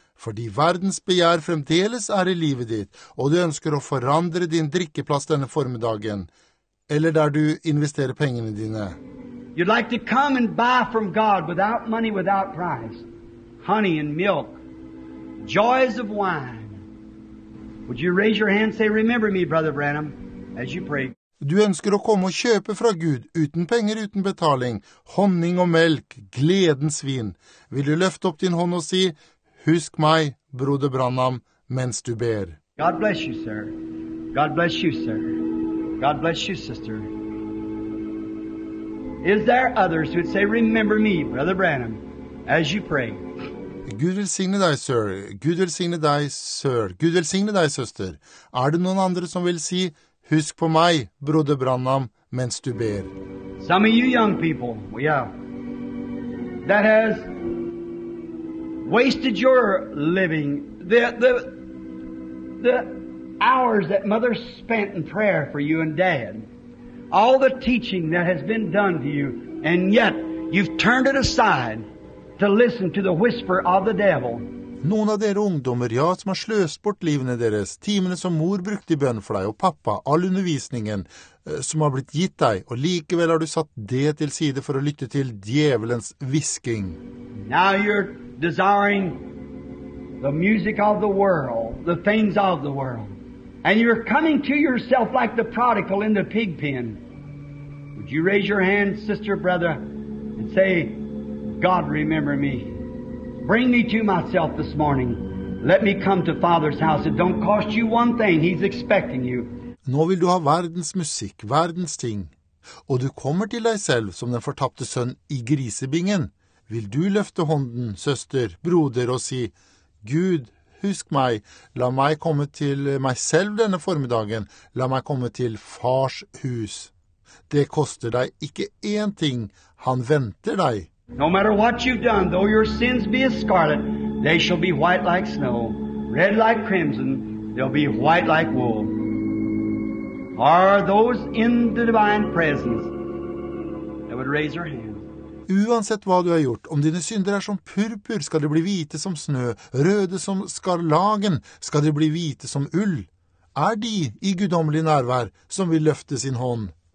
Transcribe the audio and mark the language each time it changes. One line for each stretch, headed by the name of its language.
Norwegian: Fordi verdens begjær fremdeles i livet ditt, og du ønsker å forandre din drikkeplass denne formiddagen, eller der du investerer pengene dine?
English: You'd like to come and buy from God without money, without price, honey and milk, joys of wine. Would you raise your hand and say, remember me, Brother Branham, as you pray.
Norwegian: Du ønsker å komme og kjøpe fra Gud, uten penger, uten betaling, honning og melk, gledens vin. Vil du løfte opp din hånd og si, husk meg, Broder Branham, mens du ber.
English: God bless you, sir. God bless you, sir. God bless you, sister. Is there others who would say, remember me, Brother Branham, as you pray?
Norwegian: Gud velsigne deg, sir. Gud velsigne deg, sir. Gud velsigne deg, søster. Det noen andre som vil si, husk på meg, Broder Branham, mens du ber?
English: Some of you young people, yeah, that has wasted your living, the hours that mother spent in prayer for you and dad, all the teaching that has been done to you, and yet you've turned it aside to listen to the whisper of the devil.
Norwegian: Noen av dere ungdommer, ja, som har sløst bort livene deres, timene som mor brukte i bønn for deg og pappa, all undervisningen som har blitt gitt deg, og likevel har du satt det til side for å lytte til djevelens hvisking.
English: Now you're desiring the music of the world, the things of the world, and you're coming to yourself like the prodigal in the pig pen. Would you raise your hand, sister, brother, and say, God, remember me. Bring me to myself this morning. Let me come to Father's house. It don't cost you one thing. He's expecting you.
Norwegian: Nå vil du ha verdens musikk, verdens ting. Og du kommer til deg selv som den fortapte sønn i grisebingen. Vil du løfte hånden, søster, broder, og si, Gud, husk meg. La meg komme til meg selv denne formiddagen. La meg komme til Fars hus. Det koster deg ikke én ting. Han venter deg.
English: No matter what you've done, though your sins be as scarlet, they shall be white like snow, red like crimson, they'll be white like wool. Are those in the divine presence that would raise their hands?
Norwegian: Uansett hva du har gjort, om dine synder som purpur, skal de bli hvite som snø, røde som skarlagen, skal de bli hvite som ull. De i guddommelig nærvær som vil løfte sin hånd?